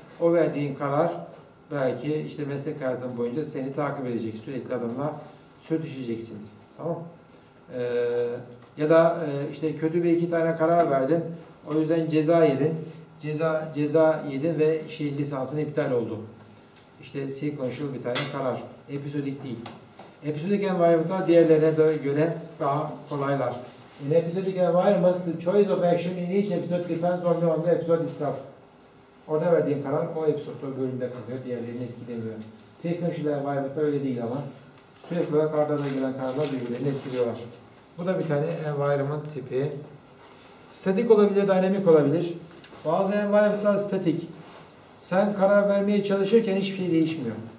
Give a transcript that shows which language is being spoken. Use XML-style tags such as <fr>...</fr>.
<tr>O verdiğin karar belki işte meslek hayatın boyunca seni takip edecek, sürekli adamla sürtüşeceksiniz. Tamam? Ya da işte kötü bir iki tane karar verdin, o yüzden ceza yedin. Ceza yedin ve şey lisansın iptal oldu. İşte sequential bir tane karar, episodik değil. Episodik environment'lar diğerlerine göre daha kolaylar.</tr> <en>In episodic environments, the choice of action in each episode depends only on the episode itself.</en> <tr>Orada verdiğin karar o episode, o bölümde kalıyor, diğerlerini etkilemiyor. Sequential environment'da öyle değil ama sürekli olarak ardına gelen kararlar birbirlerini etkiliyorlar. Bu da bir tane environment tipi. Static olabilir, dynamic olabilir. Bazı environment'lar static. Sen karar vermeye çalışırken hiçbir şey değişmiyor.</tr>